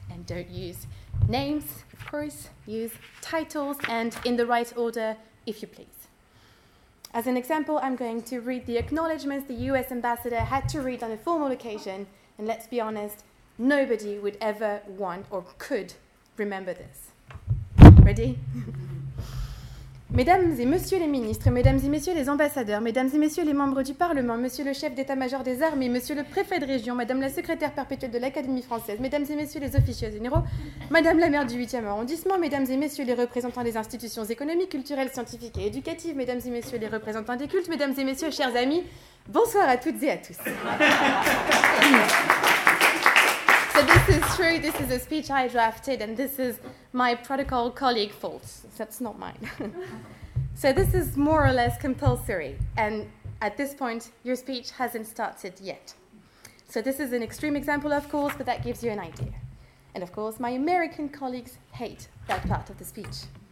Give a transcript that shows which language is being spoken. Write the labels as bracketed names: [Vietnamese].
[English] And don't use names, of course, use titles and in the right order, if you please. As an example, I'm going to read the acknowledgements the US ambassador had to read on a formal occasion. And let's be honest, nobody would ever want or could remember this. Ready? [French] Mesdames et messieurs les ministres, mesdames et messieurs les ambassadeurs, mesdames et messieurs les membres du Parlement, monsieur le chef d'état-major des armées, monsieur le préfet de région, madame la secrétaire perpétuelle de l'Académie française, mesdames et messieurs les officiers généraux, madame la maire du 8e arrondissement, mesdames et messieurs les représentants des institutions économiques, culturelles, scientifiques et éducatives, mesdames et messieurs les représentants des cultes, mesdames et messieurs, chers amis, bonsoir à toutes et à tous. [English] So this is true, this is a speech I drafted, and this is my protocol colleague fault. That's not mine. So this is more or less compulsory, and at this point, your speech hasn't started yet. So this is an extreme example, of course, but that gives you an idea. And of course, my American colleagues hate that part of the speech.